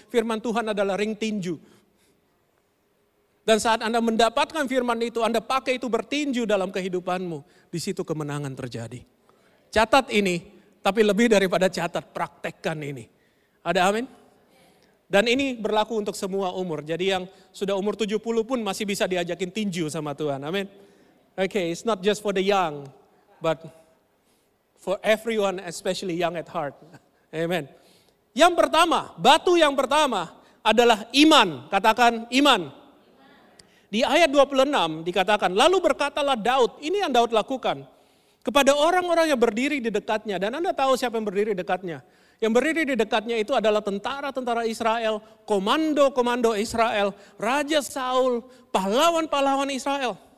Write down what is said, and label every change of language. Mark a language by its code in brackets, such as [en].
[id] Firman Tuhan adalah ring tinju. Dan saat Anda mendapatkan firman itu, Anda pakai itu bertinju dalam kehidupanmu. Di situ kemenangan terjadi. Catat ini, tapi lebih daripada catat, praktekkan ini. Ada amin? Dan ini berlaku untuk semua umur. Jadi yang sudah umur 70 pun masih bisa diajakin tinju sama Tuhan. Amin? [en] Okay, it's not just for the young, but for everyone, especially young at heart. [id] Amin. Yang pertama, batu yang pertama adalah iman. Katakan iman. Di ayat 26 dikatakan, lalu berkatalah Daud, ini yang Daud lakukan, kepada orang-orang yang berdiri di dekatnya, dan Anda tahu siapa yang berdiri di dekatnya. Yang berdiri di dekatnya itu adalah tentara-tentara Israel, komando-komando Israel, Raja Saul, pahlawan-pahlawan Israel.